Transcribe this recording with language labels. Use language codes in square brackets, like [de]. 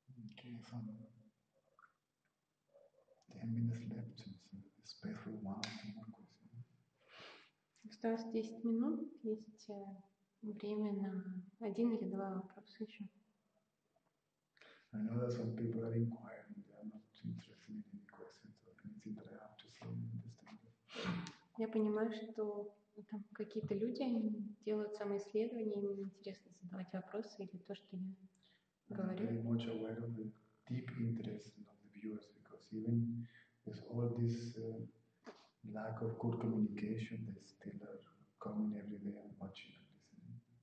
[en] Okay, so 10 minutes left, so space for one question. [ru] Осталось 10 минут, есть время на один или два вопроса еще. [en] I know that some people are inquiring, they are not interested in any questions or anything that I have to say in this time. [ru] Я понимаю, что там какие-то люди делают самоисследования, им интересно задавать вопросы или то, что я говорю. [en] I'm very much aware of the deep interest of the viewers, because even with all these lack of good communication, they still are coming every day and watching and listening.